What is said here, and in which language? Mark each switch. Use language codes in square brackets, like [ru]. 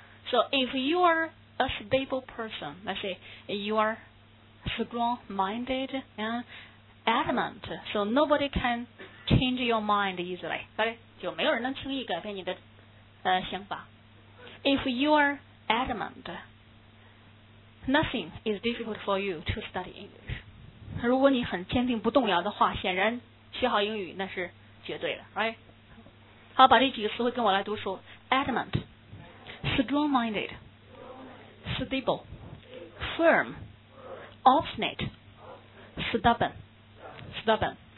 [en] So if you are a stable person, let's say you are strong-minded and adamant, so nobody can change your mind easily, right? [zh] 就没有人能轻易改变你的想法。 [en] If you are adamant. Nothing is difficult for you to study English. [zh] 如果你很坚定不动摇的话，显然学好英语那是绝对的 ，right? 好，把这几个词汇跟我来读书 ： [en] adamant, strong-minded, stable, firm, obstinate, stubborn, stubborn.